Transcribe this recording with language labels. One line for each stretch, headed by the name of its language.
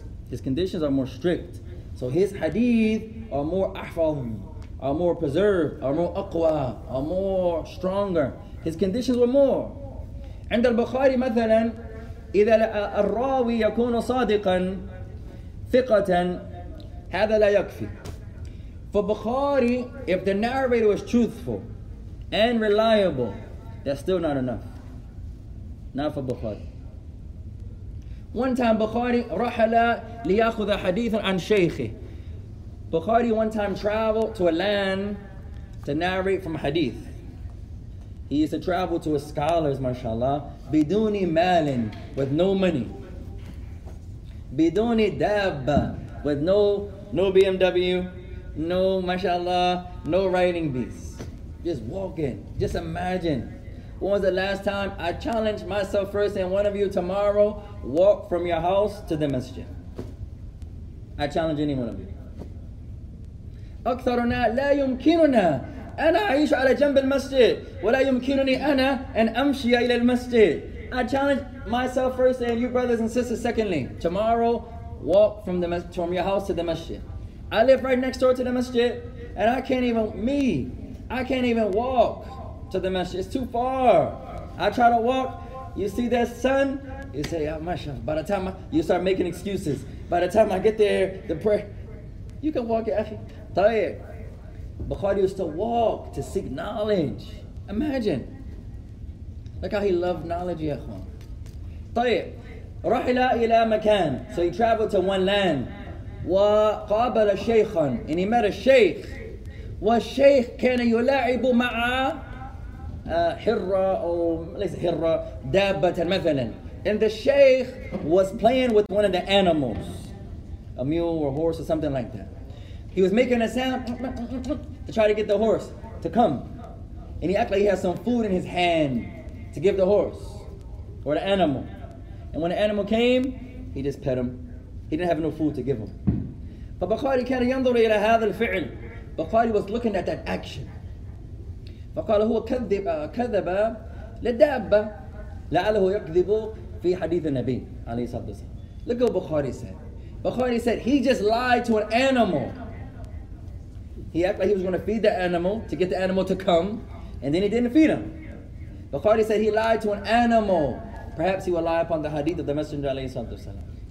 English: His conditions are more strict. So his hadith are more أحفظ, are more preserved, are more أقوى, are more stronger. His conditions were more.
Arabic: عند البخاري مثلا إذا الراوي يكون صادقا ثقة هذا لا يكفي.
English: For Bukhari, if the narrator was truthful and reliable, that's still not enough. Not for Bukhari. One time
Arabic: Bukhari رحل ليأخذ حديثا عن شيخه.
English: Bukhari one time traveled to a land to narrate from hadith. He used to travel to his scholars, mashallah,
Arabic: biduni malin,
English: with no money.
Arabic: Biduni dabba,
English: with no BMW. No, mashallah, no riding beast. Just walking. Just imagine. When was the last time I challenged myself first and one of you tomorrow walk from your house to the masjid? I challenge any one of you.
Arabic: أكثرنا لا يمكننا أنا أعيش على جنب المسجد ولا يمكنني أنا أن أمشي إلى المسجد.
English: I challenge myself first and you brothers and sisters secondly. Tomorrow walk from your house to the masjid. I live right next door to the masjid, and I can't even walk to the masjid. It's too far. I try to walk, you see that sun, you say, oh, mashallah. By the time you start making excuses, by the time I get there, the prayer, you can walk it, Afi. Tayyip. Bukhari used to walk to seek knowledge. Imagine. Look how he loved knowledge, ya khwan. Tayyip.
Arabic: Rahila ila makan.
English: So he traveled to one land.
Arabic: وقابل شيخا,
English: and he met a sheikh.
Arabic: والشيخ كان يلاعب مع حرة, أو ليس حرة, دابة مثلا.
English: And the sheikh was playing with one of the animals, a mule or horse or something like that. He was making a sound to try to get the horse to come. And he acted like he had some food in his hand to give the horse or the animal. And when the animal came, he just pet him. He didn't have no food to give him.
Arabic: فبخاري كان ينظر إلى هذا الفعل.
English: Bukhari was looking at that action.
Arabic: فقال هو كذب كذب للدابة لعله يكذب في حديث النبي عليه الصلاة والسلام.
English: Look what Bukhari said. Bukhari said he just lied to an animal. He acted like he was going to feed the animal to get the animal to come, and then he didn't feed him. Bukhari said he lied to an animal. Perhaps he will lie upon the hadith of the Messenger alayhi salatu wasalam.